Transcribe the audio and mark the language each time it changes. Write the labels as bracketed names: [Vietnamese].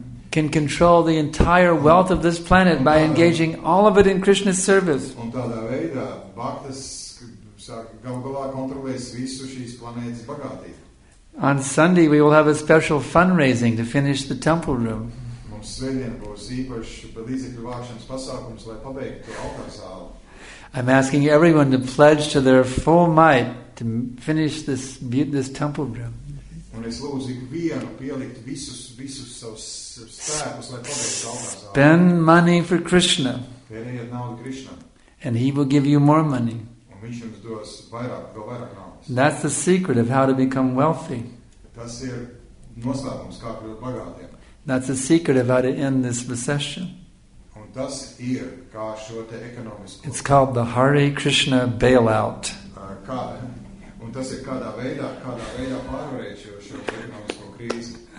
[English] Can control the entire wealth of this planet by engaging all of it in Krishna's service. [Latvian] Un tādā veidā bhaktas gal galā kontrolēs visu šīs planētas bagātību. [English] On Sunday we will have a special fundraising to finish the temple room. [Latvian] Mums svētdien būs īpašs līdzekļu vākšanas pasākums, lai pabeigtu altāra zāli. [English] I'm asking everyone to pledge to their full might to finish this temple room. [Latvian] Un es lūdzu ikvienu pielikt visus savus spēkus, lai pabeigtu altāra zāli. [English] Spend money for Krishna. [Latvian] Pieejiet naudu Krishna. [English] And he will give you more money. [Latvian] Un viņš jums dos vairāk, vēl vairāk naudu. [English] That's the secret of how to become wealthy. [Latvian] Tas ir noslēpums, kā kļūt bagātiem. [English] That's the secret of how to end this recession. [Latvian] Un tas ir, kā šo te ekonomisko. [English] It's called the Hare Krishna bailout. [Latvian] Un tas ir kādā veidā pārvarēt šo ekonomisko krīzi.